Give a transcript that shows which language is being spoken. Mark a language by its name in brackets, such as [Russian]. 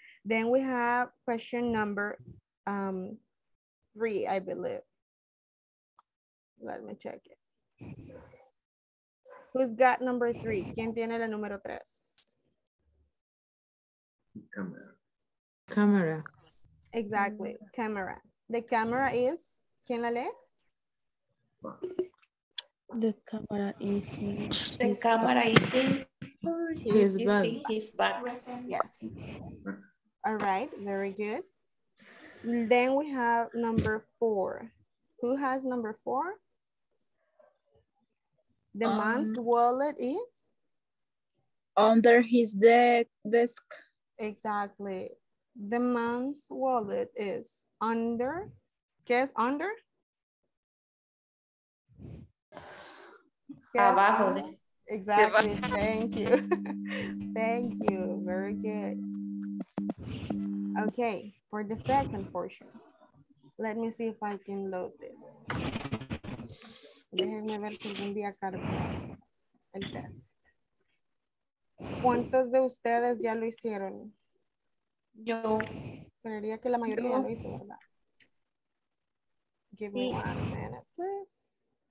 [English] Then we have question number three, I believe. Let me check it. Who's got number three? [Spanish] ¿Quién tiene la número tres? [English] Camera. Camera. Exactly, camera. The camera is, [Spanish] ¿quién la lee? [English] The camera is in, the camera is in his bag. Yes. All right, very good. Then we have number four. Who has number four? The man's wallet is? Under his desk. Exactly. The man's wallet is under. [Spanish] ¿Qué es [English] under? Yes. Abajo. Exactly. Thank you. Thank you. Very good. Okay, for the second portion. Let me see if I can load this. [Spanish] Déjenme ver si algún día cargo el test. ¿Cuántos de ustedes ya lo hicieron? Yo. Creería que la mayoría lo hizo, ¿verdad? [English] Give me one minute, please.